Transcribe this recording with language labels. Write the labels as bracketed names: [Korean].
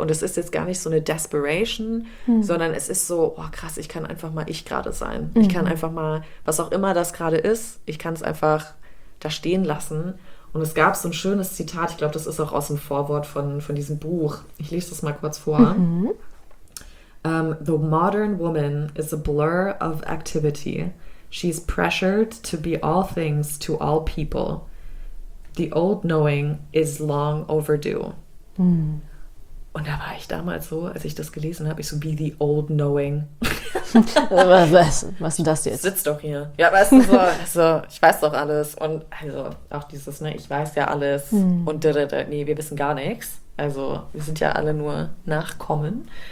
[German] Und es ist jetzt gar nicht so eine Desperation, sondern es ist so, oh krass, ich kann einfach mal ich gerade sein. Mhm. Ich kann einfach mal, was auch immer das gerade ist, ich kann es einfach da stehen lassen. Und es gab so ein schönes Zitat, ich glaube, das ist auch aus dem Vorwort von diesem Buch. Ich lese das mal kurz vor. [English] The modern woman is a blur of activity. She's pressured to be all things to all people. The old knowing is long overdue. Hm. [German] Und da war ich damals so, als ich das gelesen habe, ich so, wie [English] the old knowing. [German] was denn das jetzt? Sitz doch hier. Ja, weißt du, so, ich weiß doch alles. Und also auch dieses, ne, ich weiß ja alles. Hm. Und nee, wir wissen gar nichts. Also wir sind ja alle nur Nachkommen.